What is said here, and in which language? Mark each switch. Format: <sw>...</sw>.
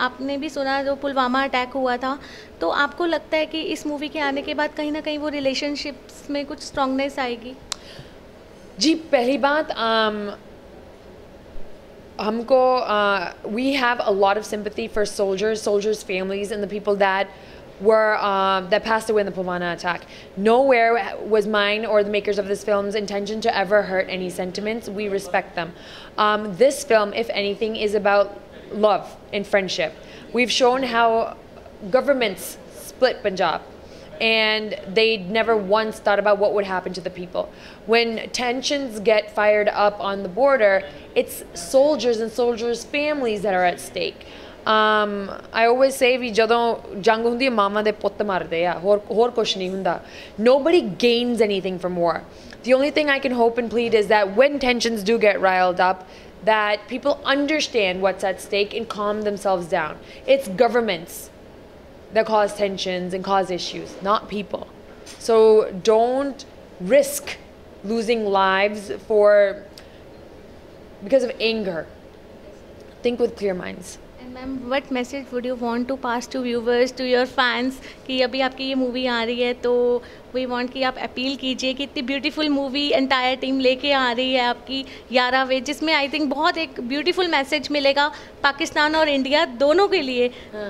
<hi>आपने भी सुना जो पुलवामा अटैक हुआ था, तो आपको लगता है कि इस मूवी के आने के बाद कहीं ना कहीं वो रिलेशनशिप्स में कुछ स्ट्रांगनेस आएगी? जी, पहली बात हमको</hi> <en>We have a lot of sympathy for soldiers, soldiers families and the people that that passed away in the Pulwama attack. Nowhere was mine or the makers of this film's intention to ever hurt any sentiments. We respect them. This film, if anything, is about love and friendship. We've shown how governments split Punjab and they never once thought about what would happen to the people. When tensions get fired up on the border, it's soldiers and soldiers' families that are at stake. I always say</en> <pa>ਵੀ ਜਦੋਂ ਜੰਗ ਹੁੰਦੀ ਹੈ ਮਾਵਾਂ ਦੇ ਪੁੱਤ ਮਰਦੇ ਆ, ਹੋਰ ਕੁਛ ਨਹੀਂ ਹੁੰਦਾ।</pa> <en>Nobody gains anything from war. The only thing I can hope and plead is that when tensions do get riled up, that people understand what's at stake and calm themselves down. It's governments that cause tensions and cause issues, not people. So don't risk losing lives for because of anger. Think with clear minds.</en> <hi>Ma'am</hi> <en>what message would you want to pass to viewers, to your fans,</en> <hi>कि अभी आपकी ये movie आ रही है तो we want कि आप appeal कीजिए कि इतनी ब्यूटीफुल मूवी एंटायर टीम लेके आ रही है आपकी 11वें, जिसमें आई थिंक बहुत एक ब्यूटीफुल मैसेज मिलेगा पाकिस्तान और इंडिया दोनों के लिए। हाँ।</hi>